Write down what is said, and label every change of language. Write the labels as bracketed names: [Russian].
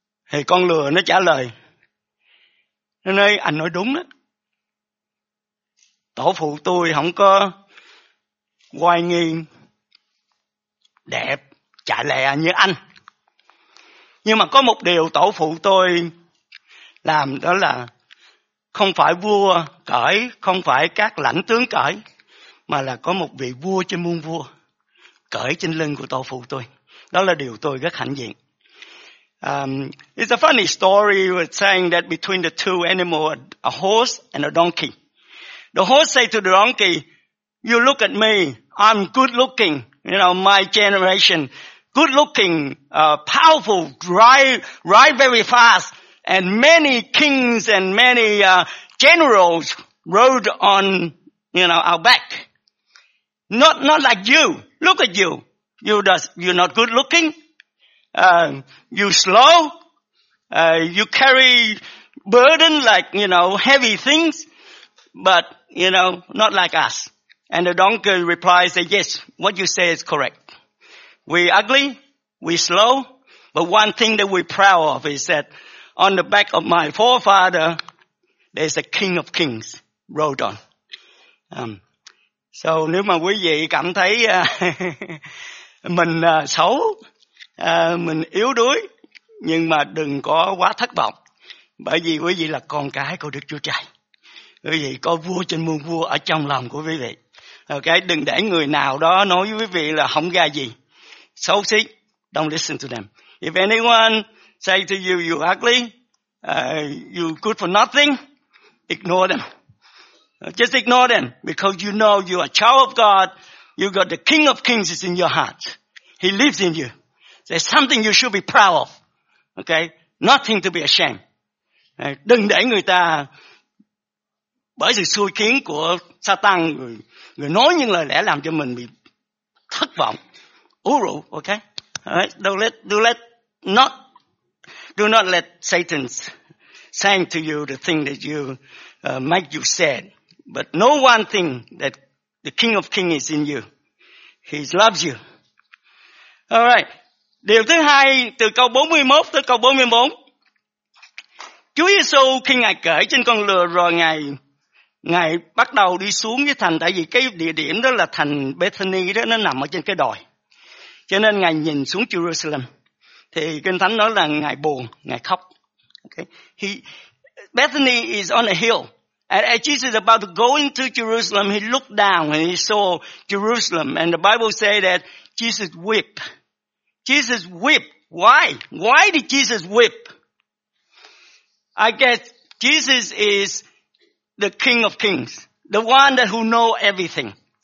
[Vietnamese] Thì con lừa nó trả lời, nó nói anh nói đúng đó, tổ phụ tôi không có oai nghi đẹp chả lẹ như anh, nhưng mà có một điều tổ phụ tôi làm, đó là không phải vua cởi, không phải các lãnh tướng cởi, mà là có một vị vua trên muôn vua cởi trên lưng của tổ phụ tôi. Đó là điều tôi rất hãnh diện. [English] It's a funny story with saying that between the two animals, a horse and a donkey. The horse say to the donkey, you look at me, I'm good looking, you know, my generation, good looking, powerful, ride very fast, and many kings and many generals rode on, you know, our back. Not like you. Look at you. You're not good looking. You're slow. You carry burden like, you know, heavy things, but, you know, not like us. And the donkey replies that, yes, what you say is correct. We're ugly, we're slow, but one thing that we're proud of is that on the back of my forefather, there's a king of kings, rode on. [Vietnamese] So nếu mà quý vị cảm thấy mình xấu, mình yếu đuối, nhưng mà đừng có quá thất vọng, bởi vì quý vị là con cái của Đức Chúa Trời. Quý vị có vua trên muôn vua ở trong lòng của quý vị. Okay, đừng để người nào đó nói với quý vị là không ra gì, xấu xí. [English] Don't listen to them. If anyone say to you, you're ugly, you're good for nothing, ignore them. Just ignore them, because you know you are a child of God. You got the King of Kings is in your heart. He lives in you. There's something you should be proud of. Okay? Nothing to be ashamed. [Vietnamese] Đừng để người ta bởi sự xui khiến của Satan, người nói những lời lẽ làm cho mình bị thất vọng, ú rũ, okay? [English] Alright, do not let Satan saying to you the thing that you make you sad. But know one thing, that the King of Kings is in you. He loves you. [Vietnamese] Alright, điều thứ hai từ câu 41 tới câu 44. Chúa Giêsu khi Ngài cởi trên con lừa rồi, Ngài bắt đầu đi xuống cái thành, tại vì cái địa điểm đó là thành Bethany đó, nó nằm ở trên cái đồi. Cho nên Ngài nhìn xuống Jerusalem. Thì Kinh Thánh nói là Ngài buồn, Ngài khóc. [English] Okay. Bethany is on a hill. And as Jesus is about to go into Jerusalem, he looked down and he saw Jerusalem. And the Bible says that Jesus wept. Jesus wept. Why? Why did Jesus wept? I guess Jesus is the King of Kings, the one that who know everything.